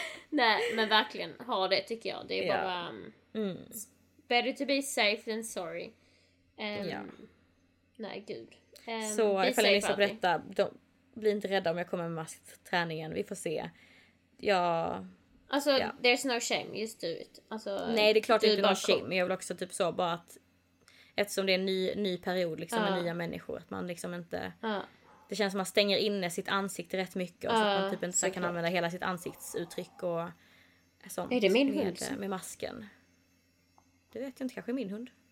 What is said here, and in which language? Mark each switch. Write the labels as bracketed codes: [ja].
[sv] Nej, men verkligen ha det tycker jag. Det är bara [en] better to be safe than sorry. [sv] Nej, gud. Så ifall jag missar att berätta, bli inte rädda om jag kommer med mask till träningen. Vi får se. Ja. Alltså, [en] there's no shame, just do it. [sv] Alltså, nej, det är klart inte [en] no shame. [sv] Jag vill också typ så, bara att eftersom det är en ny period liksom, med nya människor, att man liksom inte det känns som att man stänger inne sitt ansikte rätt mycket, och så att man typ inte så kan använda hela sitt ansiktsuttryck och sånt. Är det min hund? Med masken. Det vet jag inte, kanske min hund.